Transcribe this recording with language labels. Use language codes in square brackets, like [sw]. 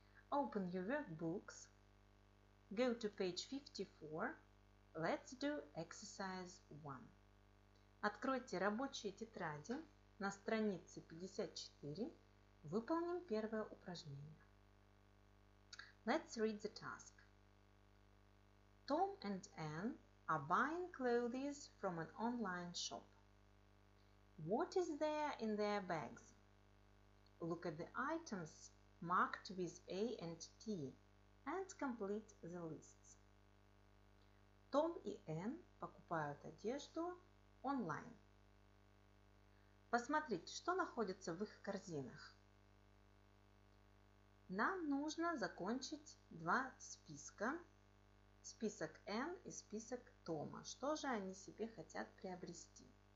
[en] Open your workbooks. Go to page 54. Let's do exercise 1. [ru] Откройте рабочие тетради на странице 54. Выполним первое упражнение. [en] Let's read the task. Tom and Anne are buying clothes from an online shop. What is there in their bags? Look at the items marked with A and T and complete the lists. [ru] Том и Энн покупают одежду онлайн. Посмотрите, что находится в их корзинах. Нам нужно закончить два списка. Список Энн и список Тома. Что же они себе хотят приобрести?